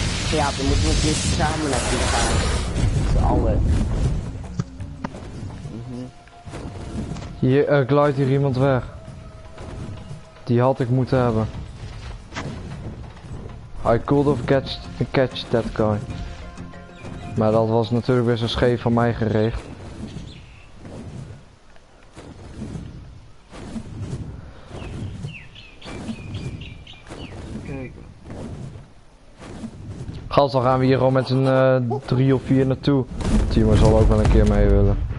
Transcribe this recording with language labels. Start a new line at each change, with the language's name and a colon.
Dutch: Ja, we moeten een keer samen naar binnen gaan. Zo alle. Hier glijdt hier iemand weg. Die had ik moeten hebben.
English: I could have catch that guy.
Dutch: Maar dat was natuurlijk weer zo scheef van mij gericht. Gast, dan gaan we hier gewoon met z'n 3 of 4 naartoe. Timo zal ook wel een keer mee willen.